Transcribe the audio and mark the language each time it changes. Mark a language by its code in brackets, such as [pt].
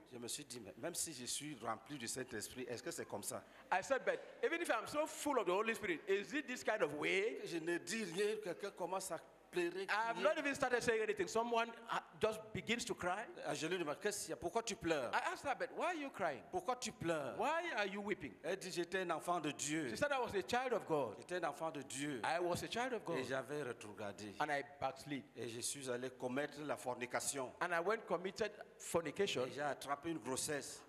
[fr] Je me suis dit, même si je suis rempli du Saint-Esprit, est-ce que c'est comme ça? [en] I said, but even if I'm so full of the Holy Spirit, is it this kind of way? [fr] Je ne dis rien, quelqu'un commence à pleurer. [en] I have not even started saying anything. Someone just begins to cry. [fr] Je lui demande, qu'est-ce qu'il y a? Pourquoi tu pleures? [en] I asked her, but why are you crying? [fr] Pourquoi tu pleures? [en] Why are you weeping? [fr] Elle dit, j'étais un enfant de Dieu. [en] She said, I was a child of God. [fr] J'étais un enfant de Dieu. [en] I was a child of God. [fr] Et j'avais retrogradé. [en] And I backslid. [fr] Et je suis allé commettre la fornication. [en] And I went committed fornication. [fr] Et j'ai attrapé une grossesse.